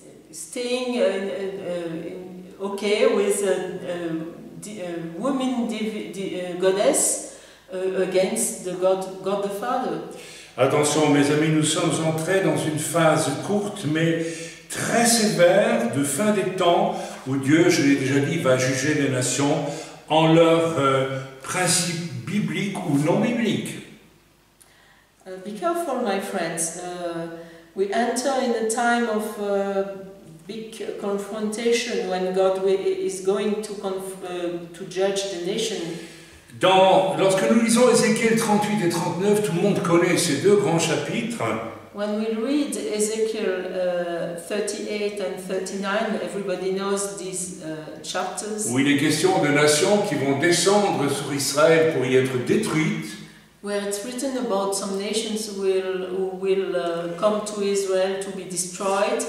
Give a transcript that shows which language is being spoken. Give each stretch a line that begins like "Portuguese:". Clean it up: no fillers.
English: Staying okay with a woman goddess against the God the Father.
French: Attention, mes amis, nous sommes entrés dans une phase courte mais très sévère de fin des temps où Dieu, je l'ai déjà dit, va juger les nations en leurs principes bibliques ou non bibliques.
English: Be careful, my friends. We enter in a time of big confrontation when God is going to judge the nation.
French: Dans, lorsque nous lisons Ézéchiel 38 et 39, tout le monde connaît ces deux grands chapitres.
English: When we read Ezekiel 38 and 39, everybody knows these chapters.
French: Où il est question de nations qui vont descendre sur Israël pour y être détruites.
English: Where it's written about some nations who will come to Israel to be destroyed.